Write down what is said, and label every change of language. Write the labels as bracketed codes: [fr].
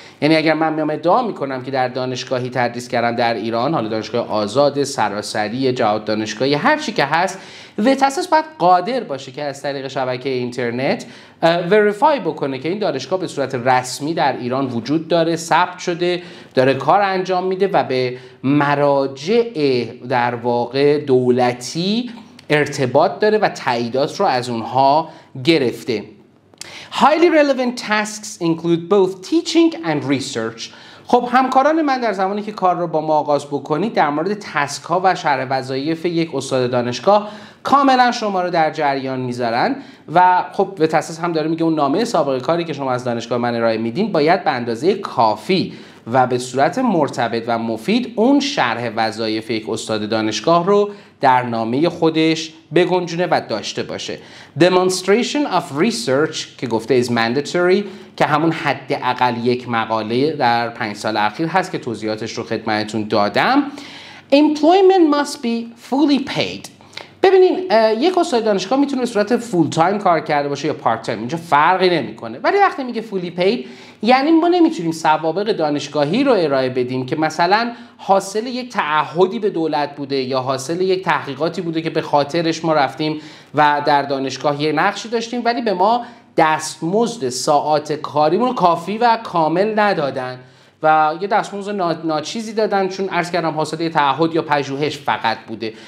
[fa] یعنی اگر من میام ادعا میکنم که در دانشگاهی تدریس کردم در ایران، حالا دانشگاه آزاد، سراسری، جهاد دانشگاهی، هر چی که هست، ویتاسس باید قادر باشه که از طریق شبکه اینترنت وریفای بکنه که این دانشگاه به صورت رسمی در ایران وجود داره، ثبت شده، داره کار انجام میده و به مراجع در واقع دولتی ارتباط داره و تاییدات رو از اونها گرفته. [en] Highly relevant tasks include both teaching and research. [fa] خب همکاران من در زمانی که کار رو با ما آغاز بکنید در مورد تسک ها و شرح وظایف یک استاد دانشگاه کاملا شما رو در جریان میذارن و خب به تسک هم داره میگه اون نامه سابقه کاری که شما از دانشگاه من ارائه میدین باید به اندازه کافی و به صورت مرتبط و مفید اون شرح وظایف یک استاد دانشگاه رو در نامه خودش بگنجونه و داشته باشه. [en] Demonstration of research [fa] که گفته [en] is mandatory [fa] که همون حد اقل یک مقاله در 5 سال اخیر هست که توضیحاتش رو خدمتون دادم. [en] Employment must be fully paid. [fa] ببینین یک استاد دانشگاه میتونه به صورت فول تایم کار کرده باشه یا پارت تایم، اینجا فرقی نمیکنه. ولی وقتی میگه فولی پید، یعنی ما نمیتونیم سوابق دانشگاهی رو ارائه بدیم که مثلا حاصل یک تعهدی به دولت بوده یا حاصل یک تحقیقاتی بوده که به خاطرش ما رفتیم و در دانشگاه یه نقشی داشتیم، ولی به ما دستمزد ساعات کاریمون کافی و کامل ندادن و یه دستمزد ناچیزی دادن، چون عرض کردم حاصل یه تعهد یا پژوهش فقط بوده.